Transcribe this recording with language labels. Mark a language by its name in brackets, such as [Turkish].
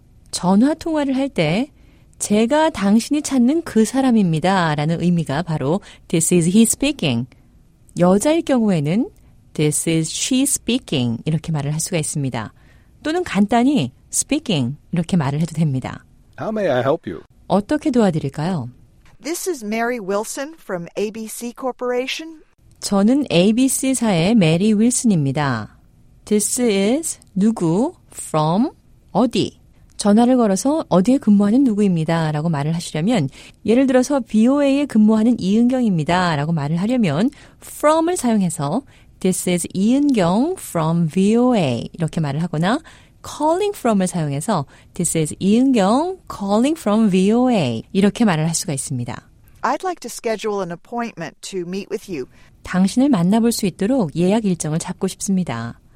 [Korean] 전화 통화를 할 때 제가 당신이 찾는 그 사람입니다 라는 의미가 바로 [English] This is he speaking. [Korean] 여자일 경우에는 [English] This is she speaking [Korean] 이렇게 말을 할 수가 있습니다. 또는 간단히 speaking 이렇게 말을 해도 됩니다. [English] How may I help you? [Korean] 어떻게 도와드릴까요? [English] This is Mary Wilson from ABC Corporation. [Korean] 저는 ABC사의 메리 윌슨입니다. [English] This is [Korean] 누구 [English] from [Korean] 어디? 전화를 걸어서 어디에 근무하는 누구입니다 라고 말을 하시려면 예를 들어서 BOA에 근무하는 이은경입니다 라고 말을 하려면 from을 사용해서 [English] This is 이은경 from VOA [Korean] 이렇게 말을 하거나 calling from을 사용해서 [English] This is 이은경 calling from VOA [Korean] 이렇게 말을 할 수가 있습니다. [English] I'd like to schedule an appointment to meet with you. [Korean] 당신을 만나볼 수 있도록 예약 일정을 잡고 싶습니다.